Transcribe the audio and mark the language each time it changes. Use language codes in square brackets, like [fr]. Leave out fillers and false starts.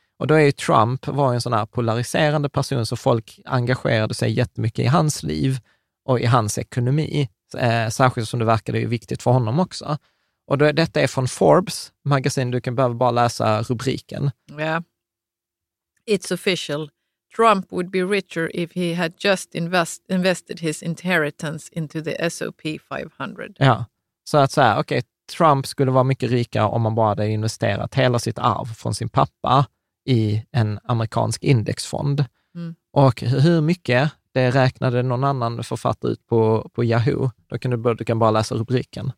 [sv] Och då är ju Trump var en sån här polariserande person så folk engagerade sig jättemycket i hans liv och i hans ekonomi. Särskilt som det verkade ju viktigt för honom också. Och då, detta är från Forbes magasin, du kan behöva bara läsa rubriken. [en] Yeah. It's official. Trump would be richer if he had just invested his inheritance into the S&P 500. [sv] Ja, så att säga, okej, Trump skulle vara mycket rikare om han bara hade investerat hela sitt arv från sin pappa i en amerikansk indexfond. Mm. Och hur mycket? Det räknade någon annan författare ut på Yahoo. Du kan bara läsa rubriken.